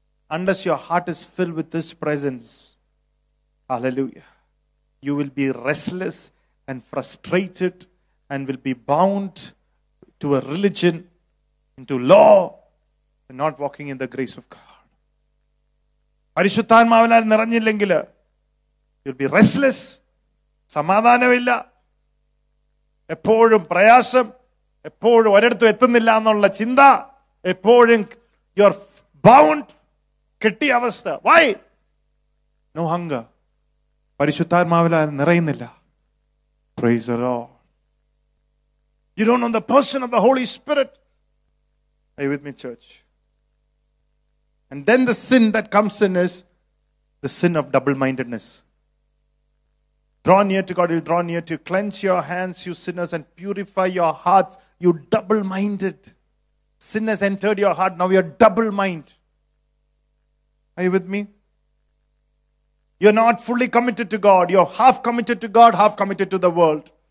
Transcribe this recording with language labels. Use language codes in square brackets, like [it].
[en] Unless your heart is filled with this presence, hallelujah, you will be restless and frustrated and will be bound to a religion, into law, and not walking in the grace of God. [ml] പരിശുദ്ധാത്മാവിനാൽ നിറഞ്ഞില്ലെങ്കിൽ [en] you'll be restless. [ml] സമാധാനമില്ല, എപ്പോഴും പ്രയാസം, എപ്പോഴും ഒരിടത്തും എത്തുന്നില്ല എന്നുള്ള ചിന്ത എപ്പോഴും [en] you are bound [ml] കെട്ടിയ അവസ്ഥ [en] why no hunger [ml] പരിശുദ്ധാത്മാവിലാൽ നിറയുന്നില്ല [en] Praise the Lord you don't know the person of the Holy Spirit are you with me church and then the sin that comes in is the sin of double mindedness Draw near to God, He'll draw near to you. Cleanse your hands, you sinners, and purify your hearts, you double-minded. Sin has entered your heart, now you're double-minded. Are you with me? You're not fully committed to God. You're half committed to God, half committed to the world.